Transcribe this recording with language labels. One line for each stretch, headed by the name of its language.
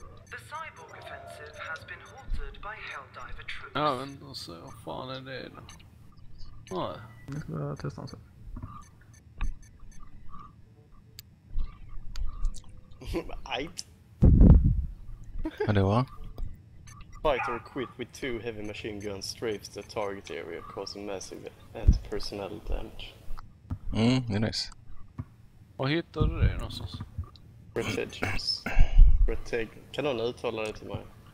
English: The cyborg offensive has been halted by Helldiver troops.
Swedish: Ja, men då så, vad fan är det då? Nu ska jag testa honom sen. Ajt! Vad det var?
English: Fight or quit with two heavy machine guns strafes the target area causing massive anti-personnel damage.
Swedish: Mm, det är nice. Vad hittar du det någonstans? Retegius. Kan någon uttala det till mig?